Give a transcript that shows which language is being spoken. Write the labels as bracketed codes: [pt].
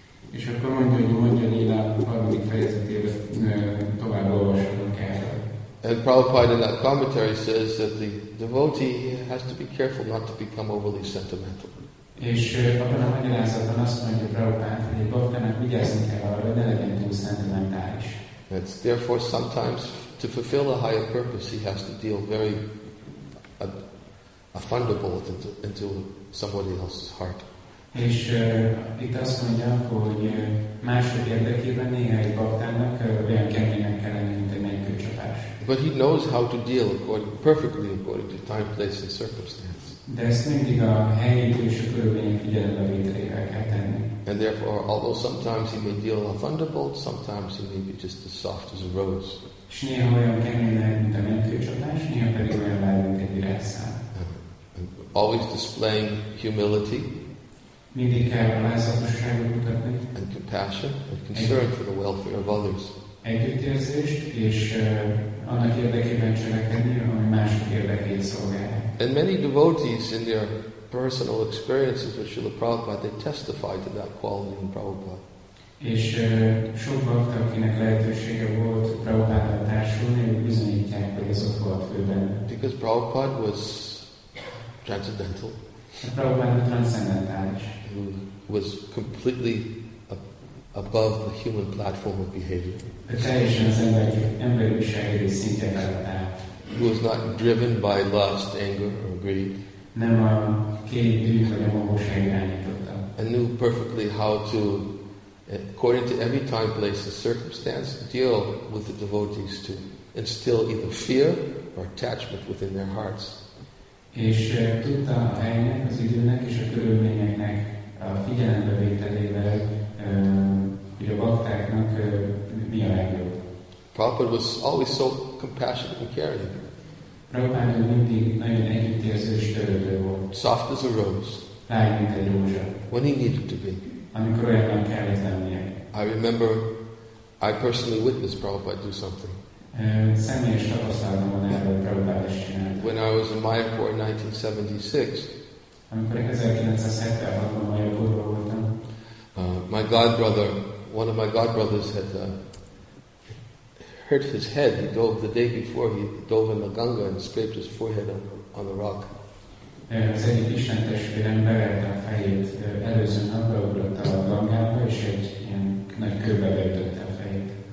[hu] És akkor mondja, hogy Madhyalila harmadik fejezetében tovább olvashatunk el. [en] And Prabhupada in that commentary says that the devotee has to be careful not to become overly sentimental. [hu] És abban a magyarázatban azt mondja Prabhupada, hogy egy bhaktának vigyázni kell arra, hogy ne legyen túl szentimentális. [en] It's therefore sometimes to fulfill a higher purpose, he has to deal very a thunderbolt into somebody else's heart. [hu] És itt azt mondja, hogy mások érdekében néha egy baktának olyan keménynek kell lenni, mint egy mennykőcsapás. [en] But he knows how to deal according to time, place, and circumstance. [hu] De ezt mindig a helyét és a körülmények figyelembe vételével kell tenni. [en] And therefore, although sometimes he may deal a thunderbolt, sometimes he may be just as soft as a rose. [hu] És néha olyan keménynek, mint a mennykőcsapás, néha pedig olyan lehet, mint egy virágszál. [en] Always displaying humility. [hu] Mindig kell a lázatosságot mutatni. [en] And compassion and concern for the welfare of others. [hu] Együttérzést és annak érdekében cselekedni, ami mások érdekét szolgálja. [en] And many devotees in their personal experiences with Srila Prabhupada, they testify to that quality in Prabhupada. [hu] És sok bhakta, akinek lehetősége volt Prabhupada társulni, bizonyítják, hogy ez ott volt főben. [en] Because Prabhupada was transcendental. [hu] Prabhupada transzendentális. [en] He was completely above the human platform of behavior. [hu] Teljesen az emberi viselkedés szintje felett át. [en] He was not driven by lust, anger, or greed. [hu] Nem a két dűt, hogy a magóság irányította. [en] And knew perfectly how to, according to every time, place, and circumstance, deal with the devotees to instill either fear or attachment within their hearts. [hu] És tudta a helynek, az időnek és a körülményeknek a figyelembe vételével, hogy a baktáknak mi a legjobb. [en] Prabhupada was always so compassionate and caring. [hu] Prabhupada mindig nagyon együttérző és törődő volt. [en] Soft as a rose. [hu] Lágy, mint egy rózsa. [en] When he needed to be. [hu] Amikor olyannak kellett lennie. [en] I remember, I personally witnessed Prabhupada do something. [hu] Személyes tapasztalatom van erről, hogy Prabhupada is csinálta. [en] When I was in Mayapur in 1976. [hu] Amikor 1976-ban Mayapurban voltam. [en] My godbrother, one of my godbrothers had hurt his head. He dove the day before. He dove in the Ganga and scraped his forehead on the rock. [hu] Az egyik isten testvérem beverte a fejét előző nap, beugrott a Gangába, és egy ilyen nagy kőbe beütötte a fejét.